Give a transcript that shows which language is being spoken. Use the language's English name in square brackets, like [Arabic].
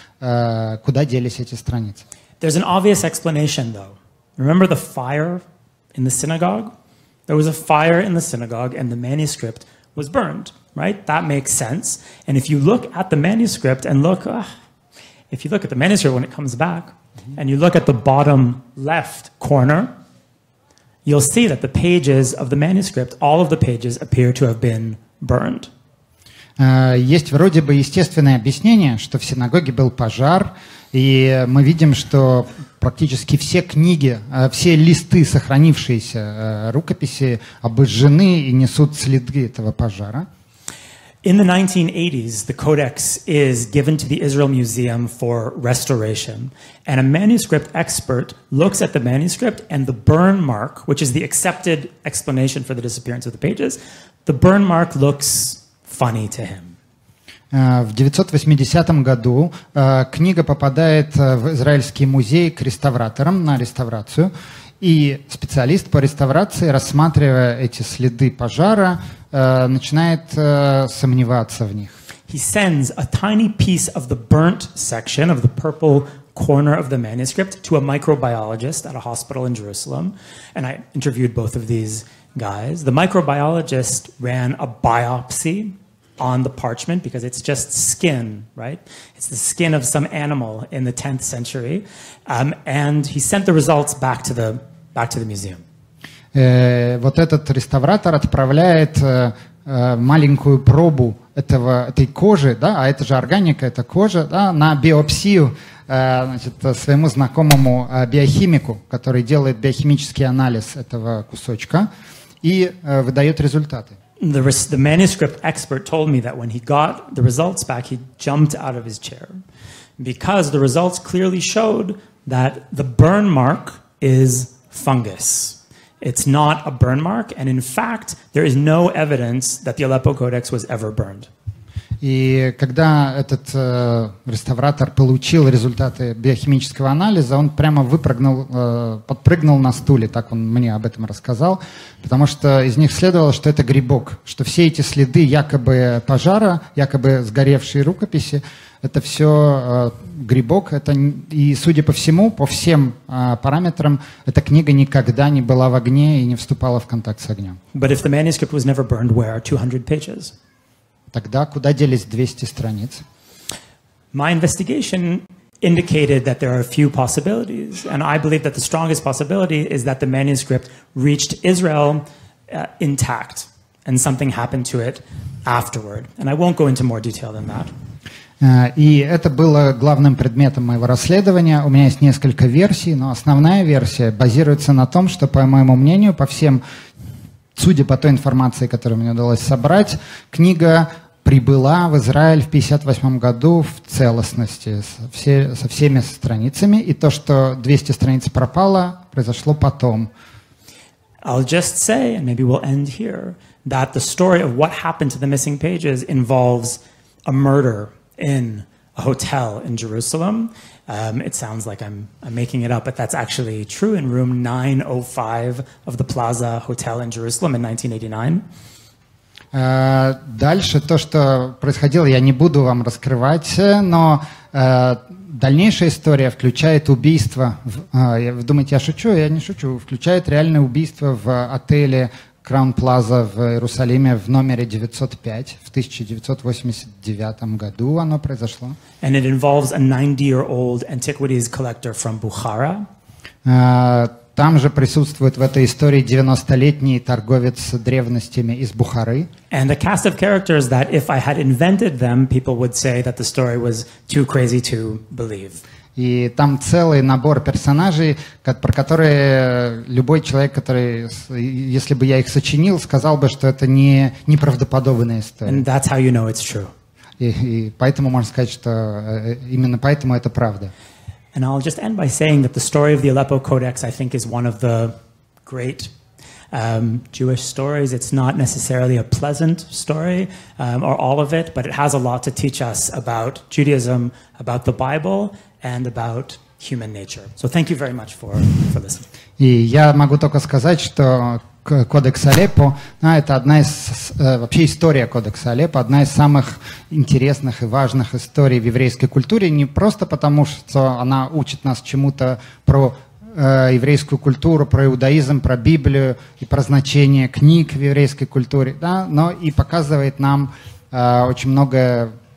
[Russian] Куда делись эти страницы? [English] There's an obvious explanation, though. Remember the fire in the synagogue? There was a fire in the synagogue, and the manuscript was burned, right? That makes sense. And if you look at the manuscript, when it comes back, and you look at the bottom left corner, you'll see that the pages of the manuscript, all of the pages, appear to have been burned. [Russian] Есть вроде бы естественное объяснение, что в синагоге был пожар, и мы видим, что практически все книги, все листы сохранившиеся рукописи обожжены и несут следы этого пожара. [English] In the 1980s, the Codex is given to the Israel Museum for restoration, and a manuscript expert looks at the manuscript and the burn mark, which is the accepted explanation for the disappearance of the pages, the burn mark looks funny to him. [Russian] В 1980 году книга попадает в Израильский музей к реставраторам на реставрацию, и специалист по реставрации, рассматривая эти следы пожара, начинает сомневаться в них. [English] He sends a tiny piece of the burnt section of the purple corner of the manuscript to a microbiologist at a hospital in Jerusalem, and I interviewed both of these guys. The microbiologist ran a biopsy on the parchment because it's just skin, right? It's the skin of some animal in the 10th century. And he sent the results back to the museum. [Russian] Вот этот реставратор отправляет маленькую пробу этой кожи, да, а это же органика, это кожа, да, на биопсию, значит, своему знакомому биохимику, который делает биохимический анализ этого кусочка и выдает результаты. [English] The manuscript expert told me that when he got the results back, he jumped out of his chair because the results clearly showed that the burn mark is fungus. It's not a burn mark, and in fact, there is no evidence that the Aleppo Codex was ever burned. [Russian] И когда этот реставратор получил результаты биохимического анализа, он прямо выпрыгнул, подпрыгнул на стуле, так он мне об этом рассказал, потому что из них следовало, что это грибок, что все эти следы якобы пожара, якобы сгоревшие рукописи, это все грибок, это, и судя по всему, по всем параметрам, эта книга никогда не была в огне и не вступала в контакт с огнем. [English] But if the manuscript was never burned, where are 200 pages? [Russian] Тогда куда делись 200 страниц? [English] My investigation indicated that there are a few possibilities, and I believe that the strongest possibility is that the manuscript reached Israel intact, and something happened to it afterward. And I won't go into more detail than that. [Russian] И это было главным предметом моего расследования. У меня есть несколько версий, но основная версия базируется на том, что, по моему мнению, по всем, судя по той информации, которую мне удалось собрать, книга прибыла в Израиль в 58 году в целостности, со всеми страницами, и то, что 200 страниц пропало, произошло потом. [English] I'll just say, and maybe we'll end here, that the story of what happened to the missing pages involves a murder in a hotel in Jerusalem. It sounds like I'm making it up, but that's actually true, in room 905 of the Plaza Hotel in Jerusalem in 1989. [Russian] Дальше то, что происходило, я не буду вам раскрывать, но дальнейшая история включает убийство. Вы думаете, я шучу? Я не шучу. Включает реальное убийство в отеле Crown Plaza в Иерусалиме в номере 905. В 1989 году оно произошло. [English] And it involves a 90-year-old antiquities collector from Bukhara. [Russian] Там же присутствует в этой истории 90-летний торговец с древностями из Бухары. [English] And a cast of characters that if I had invented them, people would say that the story was too crazy to believe. [Russian] И там целый набор персонажей, про которые любой человек, который, если бы я их сочинил, сказал бы, что это не неправдоподобная история. [English] And that's how you know it's true. [Russian] И поэтому можно сказать, что именно поэтому это правда. [English] And I'll just end by saying that the story of the Aleppo Codex, I think, is one of the great Jewish stories. It's not necessarily a pleasant story, or all of it, but it has a lot to teach us about Judaism, about the Bible, and about human nature. So thank you very much for listening. [Russian] И я могу только сказать, что Кодекс Алеппо, это одна из, вообще история Кодекса Алеппо, одна из самых интересных и важных историй в еврейской культуре, не просто потому, что она учит нас чему-то про еврейскую культуру, про иудаизм, про Библию и про значение книг в еврейской культуре, да, но и показывает нам очень многое